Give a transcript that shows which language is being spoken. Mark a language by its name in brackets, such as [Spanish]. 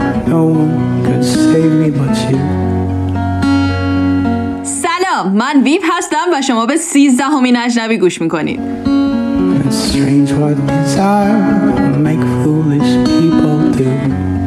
[English] No one could save me but you. [Persian] سلام، من ویف هستم و شما به 13th اجنبی گوش میکنید. [English] It's strange what desire will make foolish people do.